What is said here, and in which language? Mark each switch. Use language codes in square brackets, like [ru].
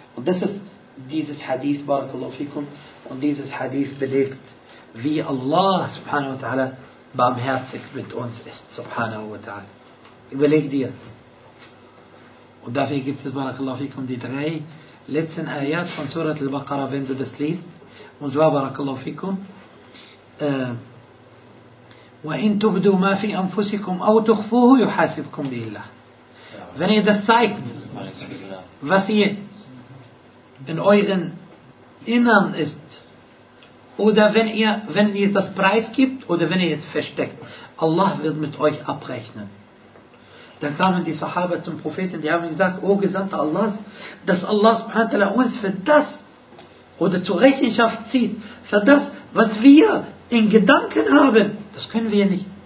[de] Und das ist dieses Hadith, Barakallahu fikum, und dieses Hadith belegt, wie Allah subhanahu wa ta'ala barmherzig mit uns ist, subhanahu wa ta'ala. Überleg dir. Und dafür gibt es, Barakallahu fikum, die drei letzten Ayat von Surat al-Baqarah, wenn du das liest. Und zwar, [ar] Barakallahu fikum, وَإِن تُبْدُوا مَا فِي أَنفُسِكُمْ أَوْ تُخْفُوهُ يُحَاسِبْكُمْ بِهِ اللَّهِ. [de] Wenn ihr das zeigt, was ihr in euren Innern ist, oder wenn ihr das preisgibt, oder wenn ihr es versteckt, Allah wird mit euch abrechnen. Dann kamen die Sahaba zum Propheten, die haben gesagt, O Gesandter Allahs, dass Allah subhanahu wa ta'ala uns für das, oder zur Rechenschaft zieht, für das, was wir in Gedanken haben, das können wir nicht.